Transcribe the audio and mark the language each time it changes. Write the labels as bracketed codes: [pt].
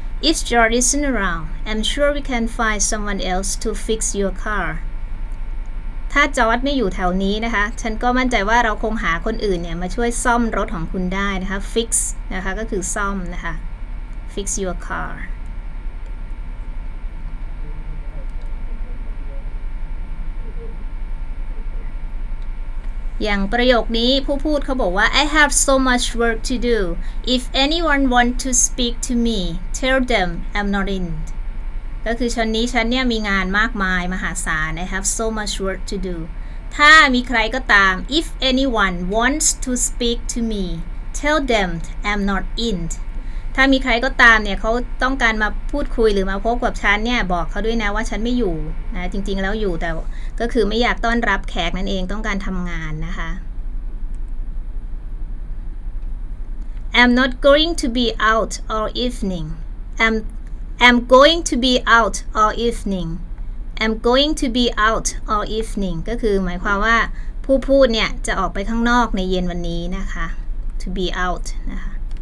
[en] If George isn't around, I'm sure we can find someone else to fix your car. [th] ถ้าจอร์จไม่อยู่แถวนี้นะคะฉันก็มั่นใจว่าเราคงหาคนอื่นเนี่ยมาช่วยซ่อมรถของคุณได้นะคะ fix นะคะก็คือซ่อมนะคะ [en] fix your car. [th] อย่างประโยคนี้ผู้พูดเขาบอกว่า [en] I have so much work to do. If anyone want to speak to me, tell them I'm not in. [th] ก็คือชั้นนี้ฉันเนี่ยมีงานมากมายมหาศาล [en] I have so much work to do. [th] ถ้ามีใครก็ตาม [en] If anyone wants to speak to me, tell them I'm not in. [th] ถ้ามีใครก็ตามเนี่ยเขาต้องการมาพูดคุยหรือมาพบกับฉันเนี่ยบอกเขาด้วยนะว่าฉันไม่อยู่นะจริงๆแล้วอยู่แต่ก็คือไม่อยากต้อนรับแขกนั่นเองต้องการทำงานนะคะ [en] I'm not going to be out all evening [th] I'm going [en] to be out [th] all evening I'm going to be out all evening ก็คือหมายความว่าผู้พูดเนี่ยจะออกไปข้างนอกในเย็นวันนี้นะคะ to be out นะคะ